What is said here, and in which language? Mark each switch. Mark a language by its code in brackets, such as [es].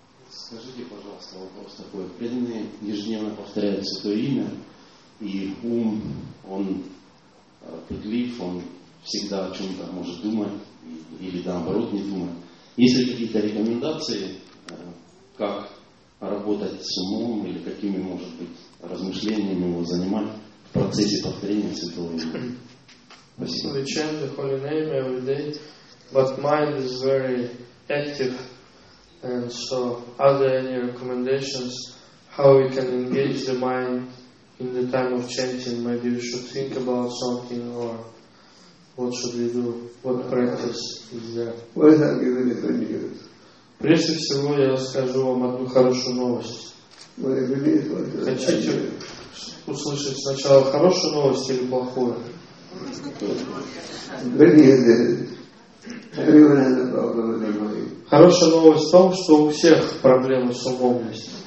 [ru] Скажите, пожалуйста, вопрос такой. Преданные ежедневно повторяют святое имя, и ум, он пытлив, он всегда о чем-то может думать, или наоборот не думать. Есть ли какие-то рекомендации, как работать с умом или какими, может быть, размышлениями его занимать в процессе повторения святого имени? Спасибо. [en] We chant the holy name every day, but mind is very active, and so are there any recommendations how we can engage the mind in the time of chanting? Maybe we should think about something or what should we do? What practice is there? What is that given if good news? [ru] Прежде всего, я расскажу вам одну хорошую новость. Хотите услышать сначала хорошую новость или плохую? [en] Good news is everyone has a problem with their mind. [ru] Хорошая новость в том, что у всех проблемы с умом есть.